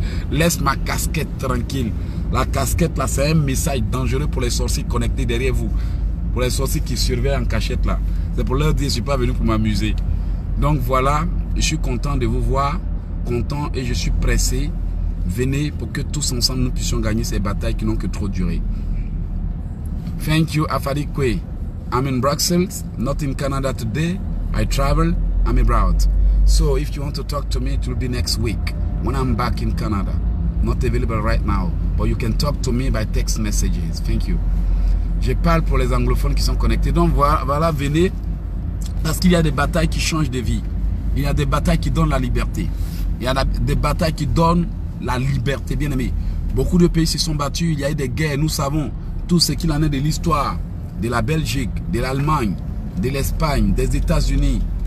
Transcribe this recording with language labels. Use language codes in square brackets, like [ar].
[fr] Laisse ma casquette tranquille. La casquette là, c'est un message dangereux pour les sorciers connectés derrière vous. Pour les sorciers qui surveillent en cachette là. C'est pour leur dire, je ne suis pas venu pour m'amuser. Donc voilà, Je suis content de vous voir, content et je suis pressé. Venez pour que tous ensemble nous puissions gagner ces batailles qui n'ont que trop duré. [en] Thank you, Afari Kwe. I'm in Brussels, not in Canada today. I travel, I'm abroad. So if you want to talk to me, it will be next week when I'm back in Canada. Not available right now, but you can talk to me by text messages. Thank you. [fr] Je parle pour les anglophones qui sont connectés. Donc voilà, venez, parce qu'il y a des batailles qui changent de vie. Il y a des batailles qui donnent la liberté. Il y a des batailles qui donnent la liberté, bien aimé. Beaucoup de pays se sont battus, il y a eu des guerres, nous savons tout ce qu'il en est de l'histoire de la Belgique, de l'Allemagne, de l'Espagne, des États-Unis.